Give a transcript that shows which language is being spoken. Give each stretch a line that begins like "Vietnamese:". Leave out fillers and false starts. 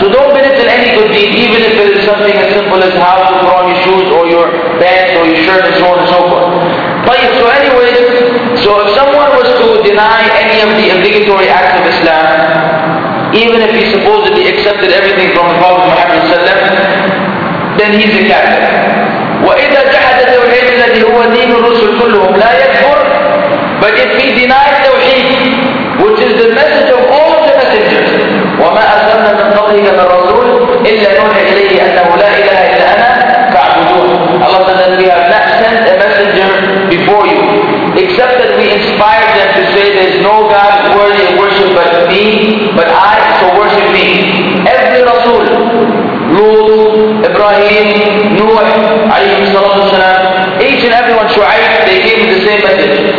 English: So don't miss in any good deed, even if it is something as simple as how to put on your shoes or your pants or your shirt and so on and so forth. But so anyways, so if someone was to deny any of the obligatory acts of Islam, even if he supposedly accepted everything from the Prophet Muhammad sallallahu alaihi wasallam, then he's a kafir.
Arabic: وَإِذَا جَحَدَ تَوْحِيدَ الَّذِي هُوَ دِينُ الرُّسُلُ كُلُّهُمْ لَا يَكْفُرُ.
English: But if he denies tawheed, which is the message of all the messengers,
Arabic: وَمَا أَرْسَلْنَا مِن قَبْلِكَ مِن رَّسُولٍ إِلَّا نُوحِي إِلَيْهِ أَنَّهُ لَا إِلَهَ إِلَّا أَنَا فَاعْبُدُونِ.
English: Allah said that we have not sent a messenger before you, except that we inspired them to say there is no God worthy of worship but me, but I, so worship me. Every Rasul, Lut, Ibrahim, Nuh, alayhi salatu wasalam, each and everyone, Shu'aib, they gave the same message.